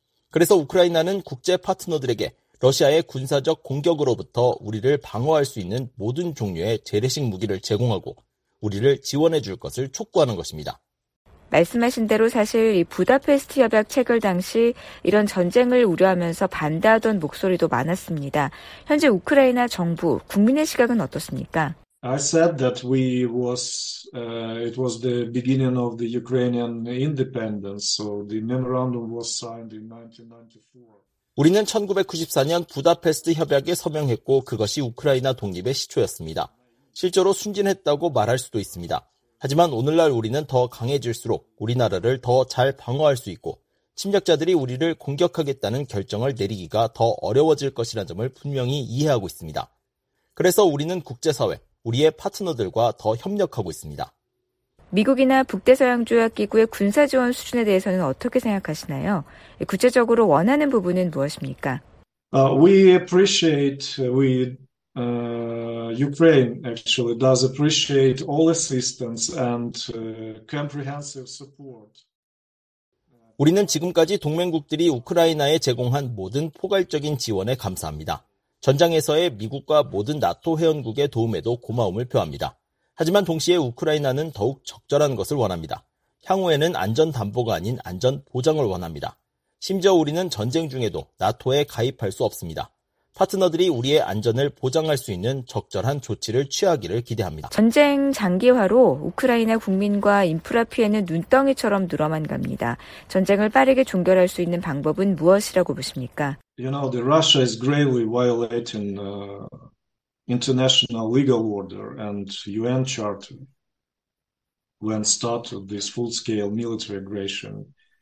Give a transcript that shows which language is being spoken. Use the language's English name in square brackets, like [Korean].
[Korean] 그래서 우크라이나는 국제 파트너들에게 러시아의 군사적 공격으로부터 우리를 방어할 수 있는 모든 종류의 재래식 무기를 제공하고 우리를 지원해 줄 것을 촉구하는 것입니다. 말씀하신 대로 사실 이 부다페스트 협약 체결 당시 이런 전쟁을 우려하면서 반대하던 목소리도 많았습니다. 현재 우크라이나 정부, 국민의 시각은 어떻습니까? [English] I said that we was it was the beginning of the Ukrainian independence. So the memorandum was signed in 1994. [Korean] 우리는 1994년 부다페스트 협약에 서명했고 그것이 우크라이나 독립의 시초였습니다. 실제로 순진했다고 말할 수도 있습니다. 하지만 오늘날 우리는 더 강해질수록 우리나라를 더 잘 방어할 수 있고 침략자들이 우리를 공격하겠다는 결정을 내리기가 더 어려워질 것이라는 점을 분명히 이해하고 있습니다. 그래서 우리는 국제사회, 우리의 파트너들과 더 협력하고 있습니다. 미국이나 북대서양조약기구의 군사지원 수준에 대해서는 어떻게 생각하시나요? 구체적으로 원하는 부분은 무엇입니까? [English] Ukraine actually does appreciate all assistance and comprehensive support. [Korean] 우리는 지금까지 동맹국들이 우크라이나에 제공한 모든 포괄적인 지원에 감사합니다. 전장에서의 미국과 모든 나토 회원국의 도움에도 고마움을 표합니다. 하지만 동시에 우크라이나는 더욱 적절한 것을 원합니다. 향후에는 안전 담보가 아닌 안전 보장을 원합니다. 심지어 우리는 전쟁 중에도 나토에 가입할 수 없습니다. 파트너들이 우리의 안전을 보장할 수 있는 적절한 조치를 취하기를 기대합니다. 전쟁 장기화로 우크라이나 국민과 인프라 피해는 눈덩이처럼 늘어만 갑니다. 전쟁을 빠르게 종결할 수 있는 방법은 무엇이라고 보십니까? [English] You know, the Russia is gravely violating international legal order and UN charter when started this full-scale military aggression.